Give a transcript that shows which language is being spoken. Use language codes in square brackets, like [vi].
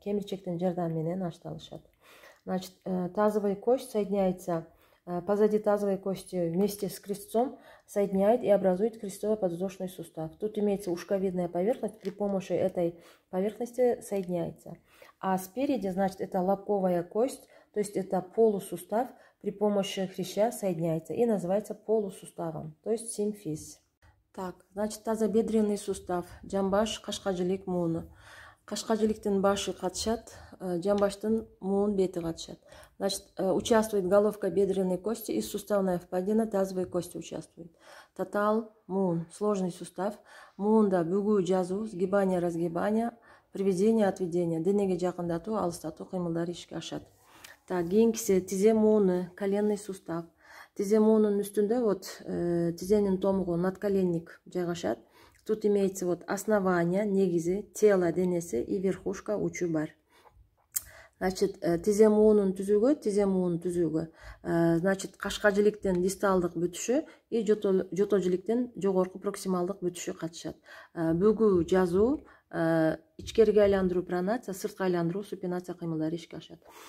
[ky] Кемирчектин жардамы менен ашталышат. [ru] Значит, тазовый кость соединяется позади тазовой кости вместе с крестцом, соединяет и образует крестцово-подвздошной сустав. Тут имеется ушковидная поверхность, при помощи этой поверхности соединяется. А спереди, значит, это лобковая кость, то есть это полусустав, при помощи хряща соединяется и называется полусуставом, то есть симфиз. Так, значит, тазобедренный сустав, джамбаш, кашкажилик, муну. [ky] Кашкажиликтин башы катышат, жамбаштын муун бети катышат. [ru] Значит, участвует головка бедренной кости и суставная впадина тазовой кости участвует. [ky] Татал, муун, [ru] сложный сустав. [ky] Муунда бүгүү, жазуу, [ru] сгибание, разгибание, приведение, отведение, [ky] денеге жакындатуу, алыстатуу кыймылдары ишке ашат. Так, кийинкиси тизе мууну, [ru] коленный сустав. [ky] Тизе муунун үстүндө вот тизенин томугу, надколенник жайгашат. [ru] Тут имеется вот основание, негизи, тело, денеси и верхушка [ky] учу бар. Значит, тизе муунун түзүгү, значит, кашкажиликтен дисталдык бүтүшү и жотожиликтен жогорку проксималдык бүтүшү катышат. Бүгүү, жазуу, ичкерге айландыруу пронация, сыртка айландыруу супинация кыймылдары ишке ашат.